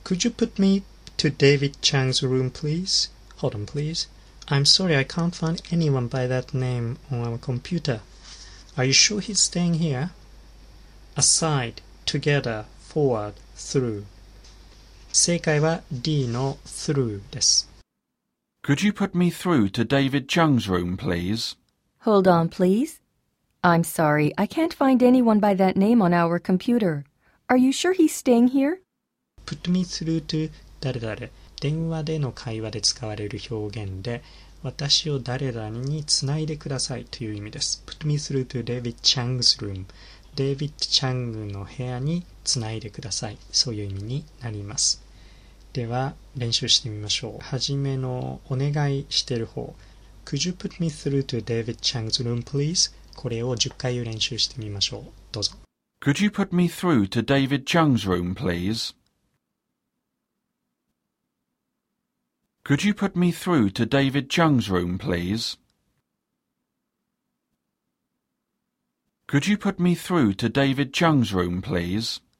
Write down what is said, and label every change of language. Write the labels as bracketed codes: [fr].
[en] Could you put me to David Chang's room, please? Hold on, please. I'm sorry, I can't find anyone by that name on our computer. Are you sure he's staying here? Aside, together, forward, through. [ja] 正解は D の through です。 [en] Could you put me through to David Chang's room, please? Hold on, please. I'm sorry, I can't find anyone by that name on our computer. Are you sure he's staying here? Put me through to [ja] 誰誰。電話での会話で使われる表現で、私を誰誰につないでくださいという意味です。 [en] Put me through to David Chang's room. [ja] David Chang の部屋につないでください。そういう意味になります。では、練習してみましょう。はじめのお願いしている方。 [en] Could you put me through to David Chang's room, please? [ja] これを10回練習してみましょう。どうぞ。 [en] Could you put me through to David Chang's room, please? Could you put me through to David Chang's room, please? Could you put me through to David Chang's room, please?